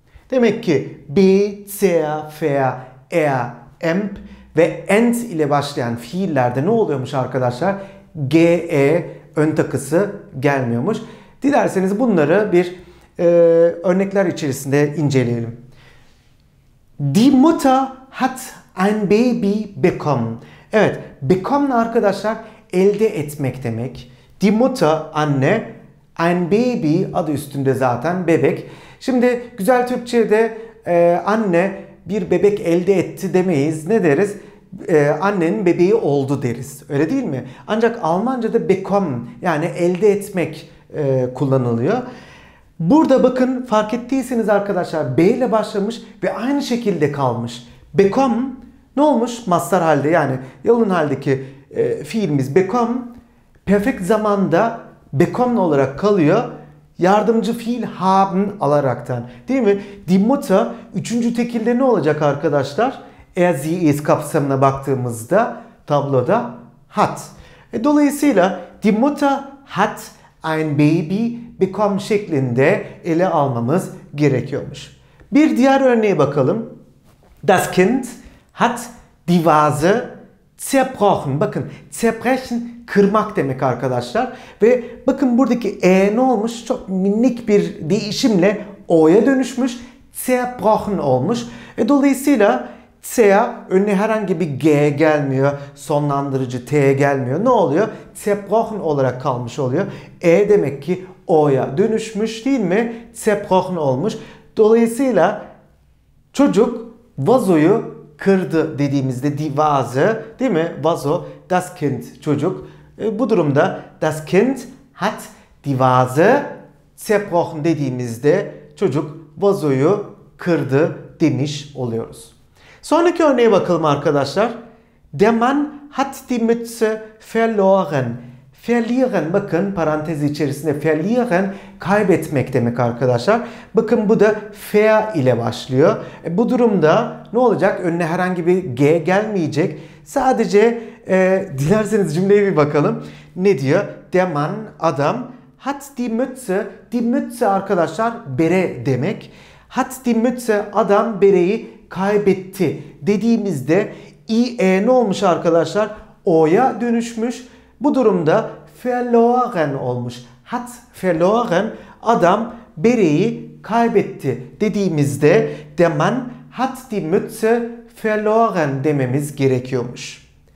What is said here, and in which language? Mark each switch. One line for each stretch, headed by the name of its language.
Turkish: Demek ki B, C, F, E, Emp ve Ent ile başlayan fiillerde ne oluyormuş arkadaşlar? G, E ön takısı gelmiyormuş. Dilerseniz bunları bir örnekler içerisinde inceleyelim.
German: Die Mutter hat ein Baby bekommen.
Turkish: Evet, bekommen arkadaşlar elde etmek demek. Die Mutter anne, ein Baby adı üstünde zaten bebek. Şimdi güzel Türkçe'de anne bir bebek elde etti demeyiz. Ne deriz? Annenin bebeği oldu deriz. Öyle değil mi? Ancak Almanca'da bekommen yani elde etmek kullanılıyor. Burada bakın fark ettiyseniz arkadaşlar B ile başlamış ve aynı şekilde kalmış. Bekommen ne olmuş? Mastar halde yani yalın haldeki fiilimiz bekommen. Perfekt zamanda bekommen olarak kalıyor. Yardımcı fiil haben alaraktan. Değil mi? Die Mutter üçüncü tekilde ne olacak arkadaşlar? Er sie ist kapsamına baktığımızda tabloda hat. Dolayısıyla
German: die Mutter hat ein Baby bekommen
Turkish: şeklinde ele almamız gerekiyormuş. Bir diğer örneğe bakalım.
German: Das Kind hat die Vase zerbrochen.
Turkish: Bakın zerbrechen kırmak demek arkadaşlar. Ve bakın buradaki e ne olmuş? Çok minik bir değişimle o'ya dönüşmüş. Zerbrochen olmuş. Dolayısıyla C önüne herhangi bir G gelmiyor. Sonlandırıcı T gelmiyor. Ne oluyor? Zerbrochen olarak kalmış oluyor. E demek ki O'ya dönüşmüş değil mi? Zerbrochen olmuş. Dolayısıyla çocuk vazoyu kırdı dediğimizde die Vase değil mi? Vazo,
German: das Kind çocuk. Bu durumda das Kind hat die Vase zerbrochen
Turkish: dediğimizde çocuk vazoyu kırdı demiş oluyoruz. Sonraki örneğe bakalım arkadaşlar.
German: Der Mann hat die Mütze verloren.
Turkish: Verlieren bakın parantez içerisinde verlieren kaybetmek demek arkadaşlar. Bakın bu da ver ile başlıyor. Bu durumda ne olacak? Önüne herhangi bir G gelmeyecek. Sadece dilerseniz cümleye bir bakalım. Ne diyor?
German: Der Mann adam hat die Mütze.
Turkish: Die Mütze arkadaşlar bere demek. Hat die Mütze adam bereyi kaybetti dediğimizde ie ne olmuş arkadaşlar? O'ya dönüşmüş. Bu durumda verloren olmuş. Hat verloren adam bereyi kaybetti dediğimizde
German: der Mann hat die Mütze verloren
Turkish: dememiz gerekiyormuş.